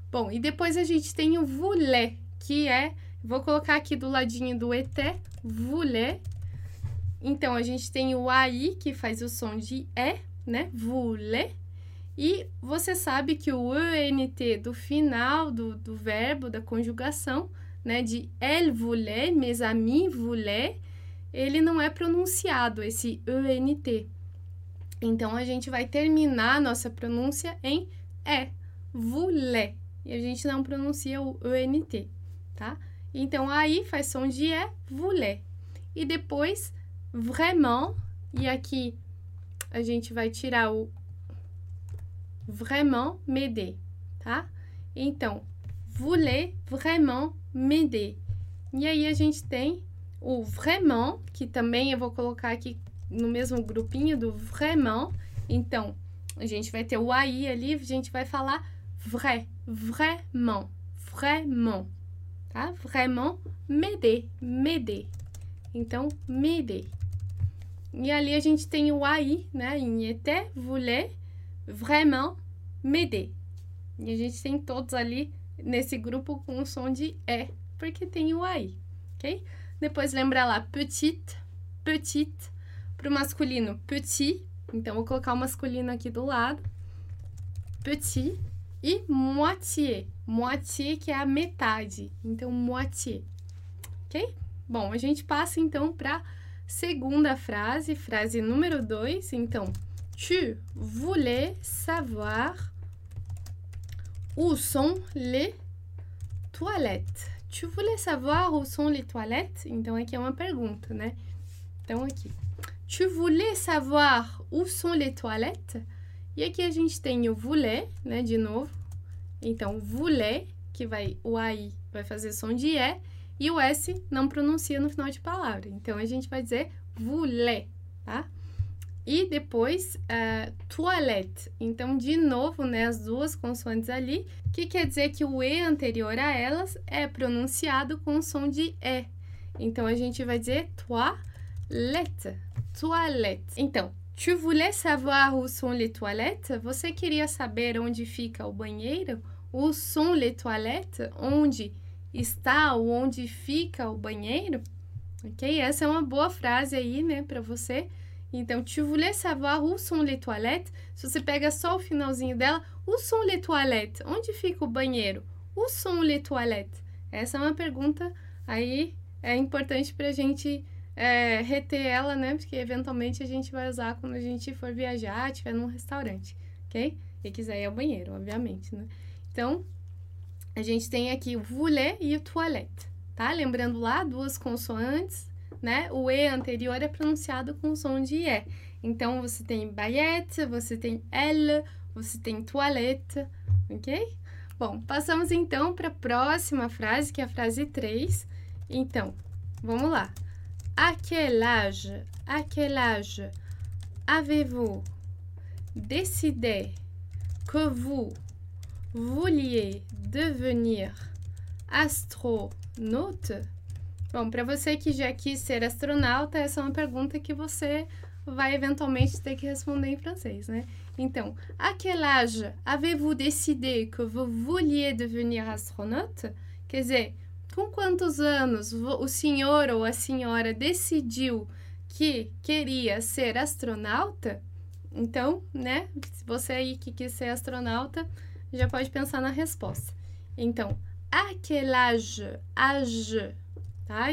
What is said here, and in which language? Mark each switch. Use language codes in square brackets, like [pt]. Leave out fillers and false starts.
[pt] Bom, e depois a gente tem o voulait, que é, vou colocar aqui do ladinho do ETÉ, voulait. Então, a gente tem o AI, que faz o som de E, né? Voulait. E você sabe que o ENT do final do verbo, da conjugação, né? [fr] De elle voulait, mes amis voulaient. [pt] Ele não é pronunciado, esse ENT. Então, a gente vai terminar a nossa pronúncia em E, voulait. E a gente não pronuncia o ENT, tá? Então, aí faz som de E, voulait. E depois, vraiment, e aqui a gente vai tirar o vraiment m'aider, tá? [fr] Então, voulait vraiment m'aider. [pt] E aí a gente tem o vraiment, que também eu vou colocar aqui no mesmo grupinho do vraiment. Então, a gente vai ter o AI ali, a gente vai falar vrai, vraiment, vraiment, tá? [fr] Vraiment, m'aider, m'aider. Então, m'aider. [pt] E ali a gente tem o AI, né? [fr] Il était, voulait, vraiment, m'aider. [pt] E a gente tem todos ali nesse grupo com o som de E, porque tem o AI, ok? Depois lembra lá, petite, petite, para o masculino, petit. Então, vou colocar o masculino aqui do lado. Petit e moitié. Moitié, que é a metade. Então, moitié. Ok? Bom, a gente passa então para a segunda frase, frase número 2. [fr] Então, tu voulais savoir où sont les toilettes? Tu voulais savoir où sont les toilettes? [pt] Então, aqui é uma pergunta, né? Então, aqui. [fr] Tu voulais savoir où sont les toilettes? [pt] E aqui a gente tem o voulais, né? De novo. Então, voulais, que vai, o AI vai fazer som de E, e o S não pronuncia no final de palavra. Então, a gente vai dizer voulais, tá? E depois, toilette. Então, de novo, né, as duas consoantes ali, que quer dizer que o E anterior a elas é pronunciado com som de E. Então, a gente vai dizer toilette, toilette. [fr] Então, tu voulais savoir où sont les toilettes? [pt] Você queria saber onde fica o banheiro? [fr] Où sont les toilettes? [pt] Onde está ou onde fica o banheiro? Ok? Essa é uma boa frase aí, né, para você. [fr] Então, tu voulais savoir où sont les toilettes? [pt] Se você pega só o finalzinho dela, [fr] où sont les toilettes? [pt] Onde fica o banheiro? [fr] Où sont les toilettes? [pt] Essa é uma pergunta aí, é importante para a gente reter ela, né? Porque eventualmente a gente vai usar quando a gente for viajar, estiver num restaurante, ok? E quiser ir ao banheiro, obviamente, né? Então, A gente tem aqui o voulez e o toilette, tá? Lembrando lá, duas consoantes, né? O E anterior é pronunciado com o som de E. Então, você tem baguette, você tem elle, você tem toilette, ok? Bom, passamos então para a próxima frase, que é a frase 3. Então, vamos lá. [fr] À quel âge, avez-vous décidé que vous vouliez devenir astronaute? [pt] Bom, para você que já quis ser astronauta, essa é uma pergunta que você vai eventualmente ter que responder em francês, né? [fr] Então, à quel âge avez-vous décidé que vous vouliez devenir astronaute? [pt] Quer dizer, com quantos anos o senhor ou a senhora decidiu que queria ser astronauta? Então, né? Se você aí que quis ser astronauta, já pode pensar na resposta. Então, à quel âge, âge, tá?